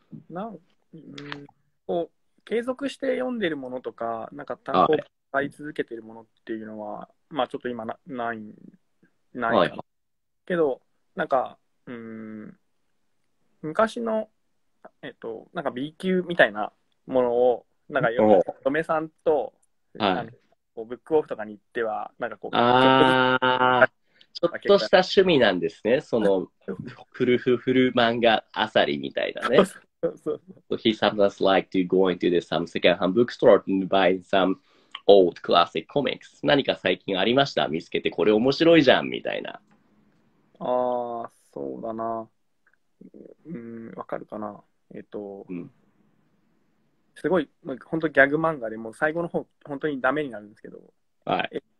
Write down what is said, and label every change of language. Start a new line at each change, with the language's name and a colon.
Japanese: なん、継続して読んでるものとか、なんか単行本買い続けてるものっていうのは、はい、まあちょっと今 ないけど、なんか、昔の、なんか B 級みたいなものを、なんか嫁さんと、はい、こうブックオフとかに行っては、なんかこう、ちょっとした趣味なんですね、そのフルフフル漫画あさりみたいなね。
English: So he sometimes like to go into the some second-hand bookstore and buy some old classic comics.
Japanese: 何か最近ありました？見つけてこれ面白いじゃんみたいな。ああ、そうだな。わかるかな。すごい、本当にギャグ漫画で、もう最後の方本当にダメになるんですけど。はい。